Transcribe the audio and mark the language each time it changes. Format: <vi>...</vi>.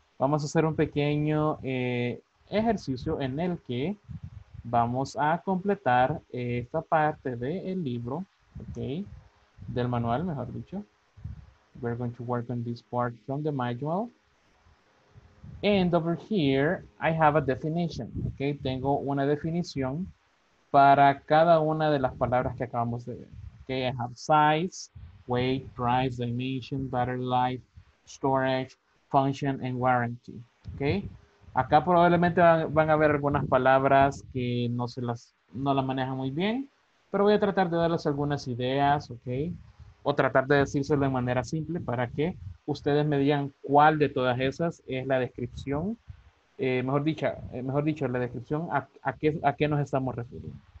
<es>Vamos a hacer un pequeño ejercicio en el que vamos a completar esta parte del libro, ¿ok? Del manual, mejor dicho.</es> <en>We're going to work on this part from the manual. And over here, I have a definition, ¿ok?</en> <es>Tengo una definición para cada una de las palabras que acabamos de ver, ¿ok?</es> <en>I have size, weight, price, dimension, battery life, storage, function, and warranty. Okay.</en> <es>Acá probablemente van a ver algunas palabras que no las manejan muy bien, pero voy a tratar de darles algunas ideas, okay, o tratar de decírselo de manera simple para que ustedes me digan cuál de todas esas es la descripción, mejor dicho, la descripción a qué nos estamos refiriendo.</es>